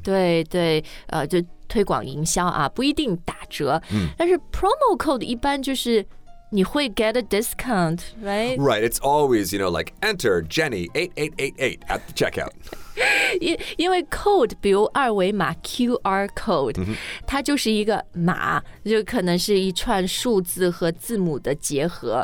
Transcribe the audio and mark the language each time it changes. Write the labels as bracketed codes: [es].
[zh] 对对、就推广营销啊不一定打折、 mm. 但是 [en] promo code [zh] 一般就是你会 [en] get a discount, right? Right, it's always, you know, like enter Jenny 8888 at the checkout. [zh] 因为 code, 比如二维码 QR code,、 mm-hmm. 它就是一个码就可能是一串数字和字母的结合、